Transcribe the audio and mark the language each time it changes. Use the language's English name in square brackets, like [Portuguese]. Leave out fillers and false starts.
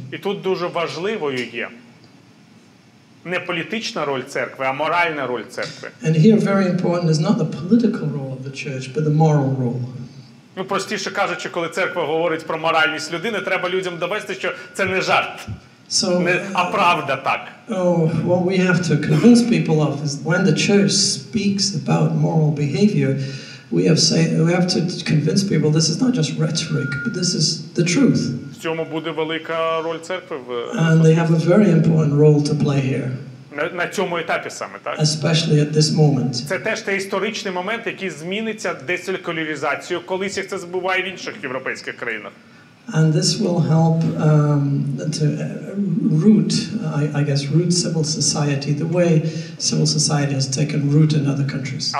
[Ukrainian] І тут дуже важливою є не політична роль церкви, а моральна роль церкви. [English] And here very important is not the political role of the church, but the moral role. [Ukrainian] Ну, простіше кажучи, коли церква говорить про моральність людини, треба людям довести, що це не жарт. [English] So, [Ukrainian] правда так. [English] Oh, what we have to convince people of is when the church speaks about moral behavior, we have to convince people this is not just rhetoric, but this is the truth. [Ukrainian] В цьому буде велика роль церкви. [English] And they have a very important role to play here. [Ukrainian] На цьому етапі саме, так? [English] Especially at this moment. [Ukrainian] Це теж той історичний момент, який зміниться десекуляризацію, колись як це збуває в інших європейських країнах. [English] And this will help to root, I guess, root civil society the way civil society has taken root in other countries.